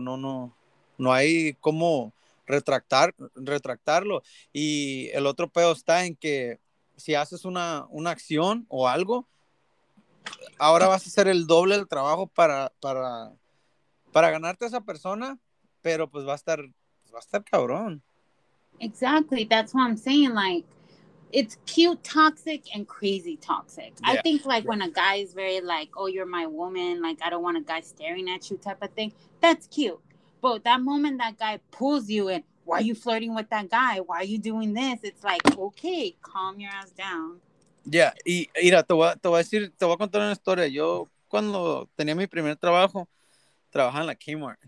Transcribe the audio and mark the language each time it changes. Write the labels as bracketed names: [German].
[Spanish] No hay cómo retractarlo. Y el otro pedo está en que si haces una acción o algo, ahora vas a hacer el doble del trabajo para ganarte a esa persona, pero pues va a estar cabrón. [English] Exactly, that's what I'm saying, like, it's cute toxic and crazy toxic. Yeah. I think, like, yeah, when a guy is very, like, oh, you're my woman, like, I don't want a guy staring at you type of thing, that's cute. But that moment that guy pulls you in, why are you flirting with that guy? Why are you doing this? It's like, okay, calm your ass down. [Spanish] Yeah, y mira, te voy a contar una historia. Yo, cuando tenía mi primer trabajo, trabajaba en la Kmart.